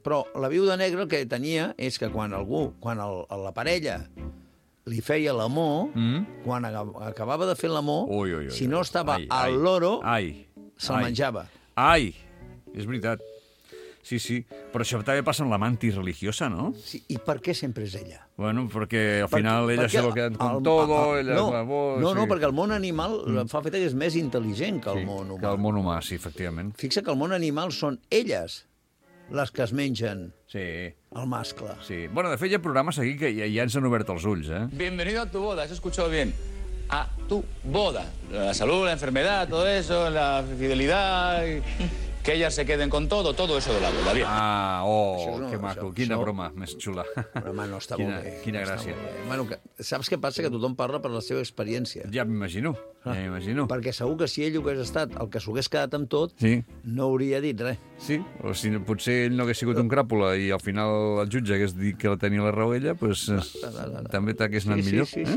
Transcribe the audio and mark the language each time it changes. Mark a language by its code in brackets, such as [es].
[ca] Però la viuda negra el que tenia és que quan algú, quan la parella... li feia l'amor, quan acabava de fer l'amor, si no estava al loro, se'l menjava. Ai, és veritat. Sí, sí, però això també passa amb la mantis religiosa, no? Sí, i per què sempre és ella? [es] Bueno, [ca] perquè [es] al final ella se lo queda con todo, ella es la voz... [ca] No, perquè el món animal fa fet que és més intel·ligent que el món humà. Que el món humà, sí, efectivament. Fixa que el món animal són elles les que es mengen. Sí. El mascle. Sí. Bueno, de fet, hi ha programes aquí que ja ens han obert els ulls, eh? [es] Bienvenido a tu boda, has escuchado bien. A tu boda. La salud, la enfermedad, todo eso, la fidelidad... Que ellas se queden con todo, todo eso de la boda. Bien. [ca] Ah, oh, que maco. Quina broma més xula. Broma no està molt bé. Quina gràcia. Bueno, saps què passa? Que tothom parla per la seva experiència. Ja m'imagino, Perquè segur que si ell hagués estat el que s'hagués quedat amb tot, no hauria dit res. Sí, o si no, potser ell no hagués sigut un cràpula i al final el jutge hagués dit que la tenia la raó ella, doncs també t'hagués anat millor.